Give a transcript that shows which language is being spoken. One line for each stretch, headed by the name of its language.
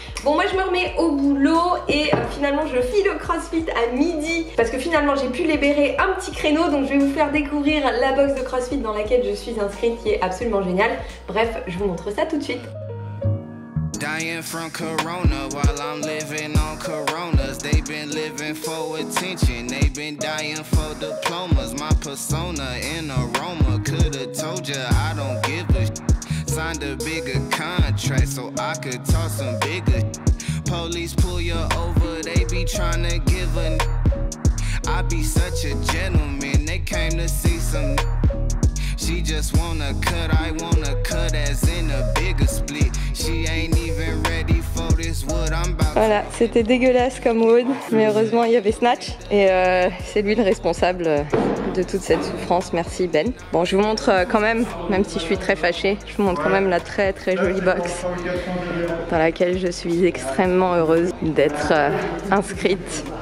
French: Bon, moi je me remets au boulot et finalement je file au CrossFit à midi parce que finalement j'ai pu libérer un petit créneau, donc je vais vous faire découvrir la box de CrossFit dans laquelle je suis inscrite qui est absolument géniale. Bref, je vous montre ça tout de suite.
English: Dying from corona while I'm living on coronas. They've been living for attention. They've been dying for diplomas. My persona in aroma could have told you I don't give a sh- Signed a bigger contract so I could toss some bigger sh- Police pull you over, they be trying to give a I be such a gentleman, they came to see some She just wanna cut, I wanna cut as in a bigger split. She ain't even ready for this what I'm about.
French: Voilà, c'était dégueulasse comme Wood, mais heureusement il y avait Snatch et c'est lui le responsable de toute cette souffrance, merci Ben. Bon, je vous montre quand même si je suis très fâchée, je vous montre quand même la très très jolie box dans laquelle je suis extrêmement heureuse d'être inscrite.